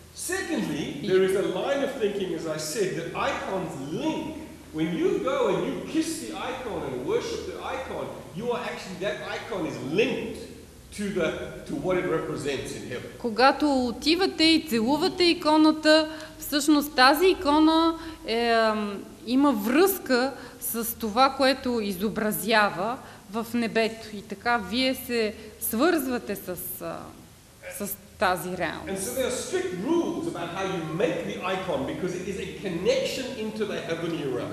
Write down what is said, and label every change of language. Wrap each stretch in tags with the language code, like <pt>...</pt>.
<en>Secondly, there is a line of thinking, as I said, that icons link. When you go and you kiss the icon and worship the icon, you are actually that icon is linked. To what it represents in heaven.</en> <bg>Когато отивате и целувате иконата, всъщност тази икона има връзка с това, което изобразява в небето. И така вие се свързвате с тази реалност.</bg> <en>And so there are strict rules about how you make the icon because it is a connection into the heavenly realm.</en>